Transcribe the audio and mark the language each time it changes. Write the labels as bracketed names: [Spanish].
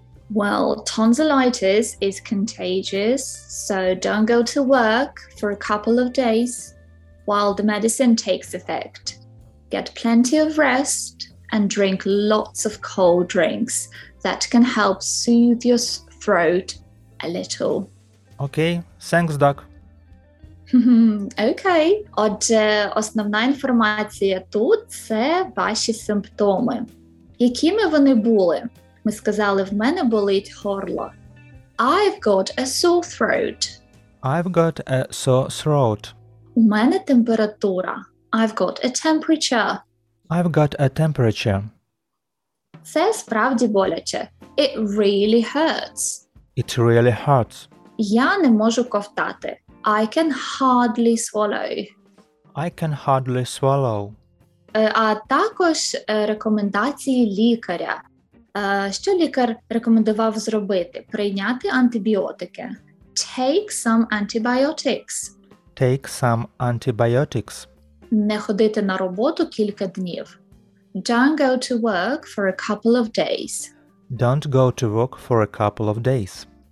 [English] Well, tonsillitis is contagious, so don't go to work for a couple of days while the medicine takes effect. Get plenty of rest and drink lots of cold drinks that can help soothe your throat a little. Okay, thanks, doc. [Ukrainian] Окей. Отже, основна інформація тут – це ваші симптоми. Якими вони були? Ми сказали, в мене болить горло. [English] I've got a sore throat. I've got a sore throat. [Ukrainian] У мене температура. [English] I've got a temperature. I've got a temperature. [Ukrainian] Це справді боляче. [English] It really hurts. It really hurts. [Ukrainian] Я не можу ковтати. [English] I can hardly swallow. I can hardly swallow. [Ukrainian] А також рекомендації лікаря. Що лікар рекомендував зробити? Прийняти антибіотики. [English] Take some antibiotics. Take some antibiotics. [Ukrainian] Не ходити на роботу кілька днів. [English] Don't go to work for a couple of days. Don't go to work for a couple of days.